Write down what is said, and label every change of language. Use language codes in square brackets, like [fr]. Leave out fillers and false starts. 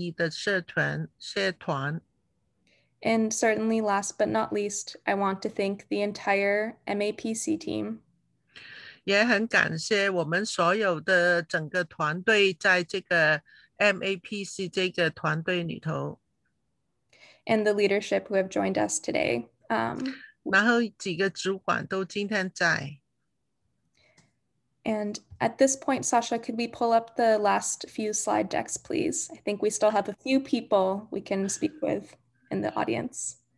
[zh] 也很感谢昆西的这个城市是帮也很就是照顾我们的亚裔的社团。 [en] And certainly last but not least, I want to thank the entire MAPC team. [zh] 也很感谢我们所有的整个团队在这个MAPC这个团队里头. [en] And the leadership who have joined us today. [zh] 然后几个主管都今天在. [en] And at this point, Sasha, could we pull up the last few slide decks, please? I think we still have a few people we can speak with in the audience.